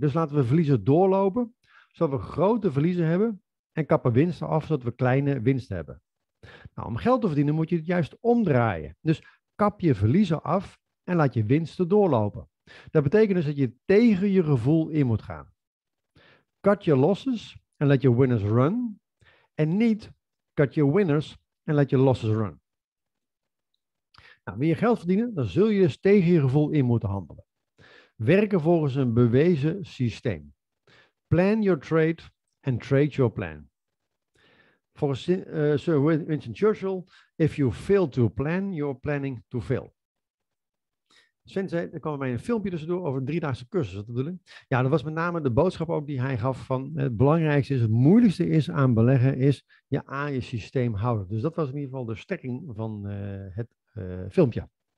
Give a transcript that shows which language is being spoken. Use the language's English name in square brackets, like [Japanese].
[Dutch] Dus laten we verliezen doorlopen, zodat we grote verliezen hebben en kappen winsten af, zodat we kleine winsten hebben. Nou, om geld te verdienen moet je het juist omdraaien. Dus kap je verliezen af en laat je winsten doorlopen. Dat betekent dus dat je tegen je gevoel in moet gaan. [English] Cut your losses [Dutch] en [English] let your winners run. [Dutch] En niet [English] cut your winners [Dutch] en [English] let your losses run. [Dutch] Nou, wil je geld verdienen, dan zul je dus tegen je gevoel in moeten handelen. Werken volgens een bewezen systeem. [English] Plan your trade and trade your plan. [Dutch] Volgens [English] Sir Winston Churchill, if you fail to plan, you're planning to fail. [Dutch] Sven zei, er kwam bij een filmpje tussendoor over een 3-daagse cursus. Wat bedoel ik? Ja, dat was met name de boodschap ook die hij gaf van het belangrijkste is, het moeilijkste is aan beleggen, is je aan je systeem houden. Dus dat was in ieder geval de strekking van het filmpje.